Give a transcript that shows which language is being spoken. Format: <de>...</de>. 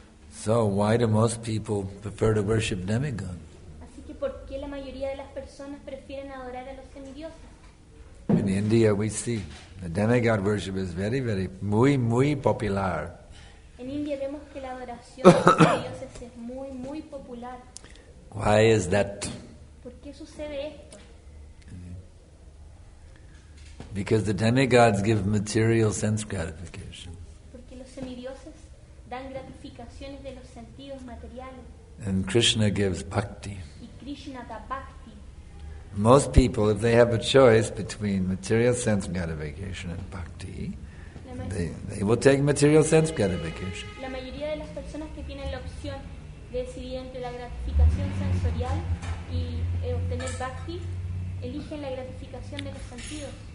<en>So why do most people prefer to worship demigods?</en> <es>Así que, ¿por qué la mayoría de las personas prefieren adorar a los semidioses?</es> <en>In India we see the demigod worship is very, very,</en> <es>muy, muy</es> <en>popular.</en> <es>En India vemos que la adoración a los semidioses es muy, muy popular.</es> <en>Why is that?</en> <es>¿Por qué sucede esto?</es> <en>Because the demigods give material sense gratification.</en> <es>Porque los semidioses dan gratificaciones de los sentidos materiales.</es> <en>And Krishna gives bhakti.</en> <es>Y Krishna da bhakti.</es> <en>Most people, if they have a choice between material sense gratification and bhakti, they will take material sense gratification.</en> <es>La mayoría de las personas que tienen la opción de decidir entre la gratificación sensorial y obtener bhakti, eligen la gratificación de los sentidos.</es>